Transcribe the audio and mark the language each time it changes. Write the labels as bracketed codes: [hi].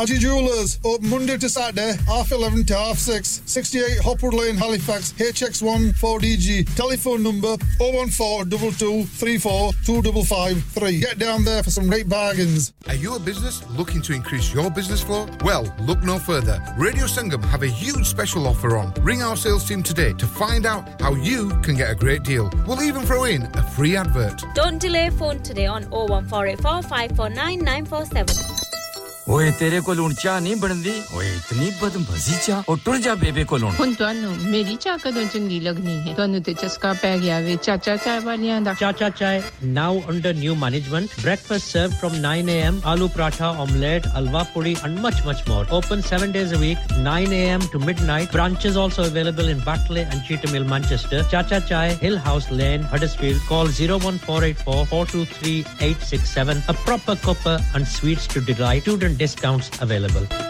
[en] Haji jewellers open Monday to Saturday half 11 to half 6 68 Hopwood Lane Halifax HX14DG. Telephone number 01422342553. Get down there for some great bargains. Are you a business looking to increase your business for? Well, look no further. Radio Sangam have a huge special offer on. Ring our sales team today to find out how you can get a great deal. We'll even throw in a free advert. Don't delay, phone today on 01484549947. [pa] ਓਏ ਤੇਰੇ ਕੋਲ ਹੁਣ ਚਾਹ ਨਹੀਂ ਬਣਦੀ ਓਏ ਇਤਨੀ ਬਦਮਜ਼ੀ ਚਾਹ ਉਹ ਟੁਰ ਜਾ ਬੇਬੇ ਕੋਲ ਹੁਣ ਤੁਹਾਨੂੰ ਮੇਰੀ ਚਾਹ ਕਦੋਂ ਚੰਗੀ ਲੱਗਣੀ ਹੈ ਤੁਹਾਨੂੰ ਤੇ ਚਸਕਾ ਪੈ ਗਿਆ ਵੇ ਚਾਚਾ ਚਾਹ ਵਾਲਿਆਂ ਦਾ [en] Chacha Chai now under new management breakfast serve from 9 AM aloo paratha omelette halwa puri and much much more open 7 days a week 9 AM to midnight branches also available in Batley and Cheetham Hill Manchester Chacha Chai Hill House Lane Huddersfield call 01484-423-867 a proper cuppa and sweets to delight you Discounts available.